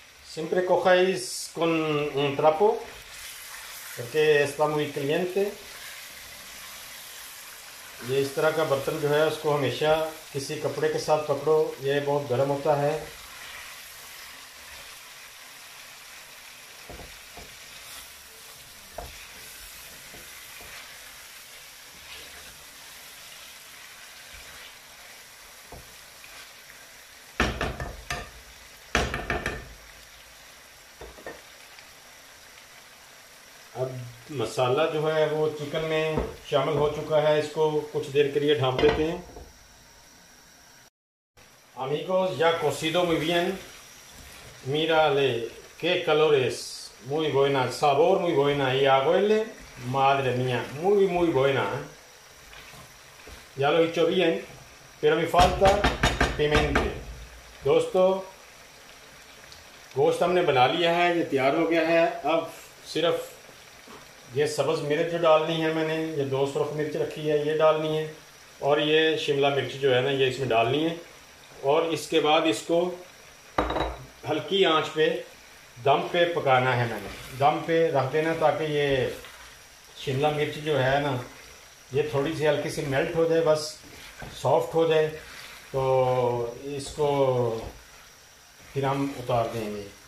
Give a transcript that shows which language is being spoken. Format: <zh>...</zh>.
<es>Siempre cojáis con un trapo porque está muy caliente.</es> <hi>ये इस तरह का बर्तन जो है उसको हमेशा किसी कपड़े के साथ पकड़ो, ये बहुत गर्म होता है। मसाला जो है वो चिकन में शामिल हो चुका है, इसको कुछ देर के लिए ढाम देते हैं।</hi> <es>Amigos, ya cocido muy bien. Mírale qué calor es. Muy buena, sabor muy buena. Y aguele, madre mía, muy muy buena. Ya lo he hecho bien, pero me falta pimiento.</es> <hi>दोस्तों, गोश्त हमने बना लिया है, ये तैयार हो गया है। अब सिर्फ ये सब्ज मिर्च जो डालनी है मैंने, ये 2 सुरख मिर्च रखी है ये डालनी है, और ये शिमला मिर्च जो है ना ये इसमें डालनी है। और इसके बाद इसको हल्की आंच पे दम पे पकाना है मैंने, दम पे रख देना ताकि ये शिमला मिर्च जो है ना ये थोड़ी सी हल्की सी मेल्ट हो जाए, बस सॉफ्ट हो जाए, तो इसको फिर हम उतार देंगे।</hi>